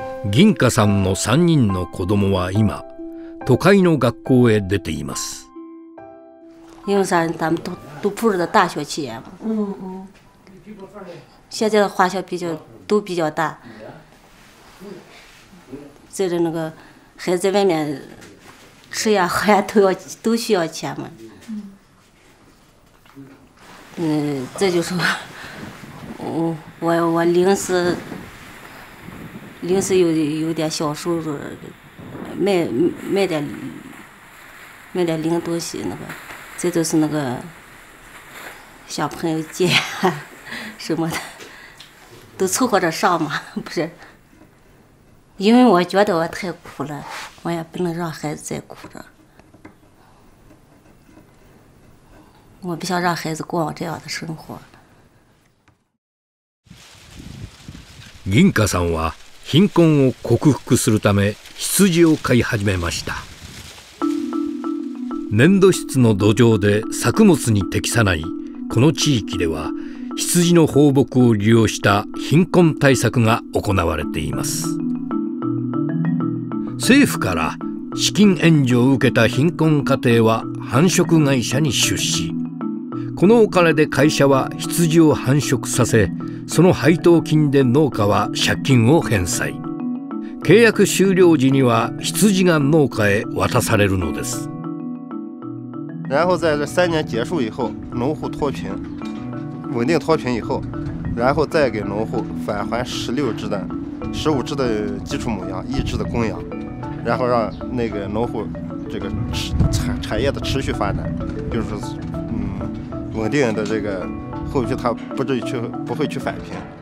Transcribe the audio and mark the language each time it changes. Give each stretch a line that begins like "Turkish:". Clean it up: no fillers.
Japanese: 銀華さんの三人の子供は今都会の学校へ出ています。
Chinese: 因为咱们都步入了大学期间嘛。嗯嗯。现在的花销比较大。这个那个。孩子在外面吃呀喝呀都需要钱嘛。这就是我临时有点小收入，卖点零东西，那个这都是那个小朋友借什么的都凑合着上嘛，不是。因为我觉得我太苦了，我也不能让孩子再苦了。我不想让孩子过这样的生活。
Japanese: 銀華さんは貧困を克服するため羊を飼い始めました。粘土質の土壌で作物に適さないこの地域では、羊の放牧を利用した貧困対策が行われています。政府から資金援助を受けた貧困家庭は繁殖会社に出資。このお金で会社は羊を繁殖させ、その配当金で農家は借金を返済。契約終了時には羊が農家へ渡されるのです。
Chinese: 然后在这三年结束以后，农户脱贫，稳定脱贫以后，然后再给农户返还16只的、15只的基础母羊、1只的公羊。然后让那个农户这个产业的持续发展，就是稳定的这个后续他不会去返贫。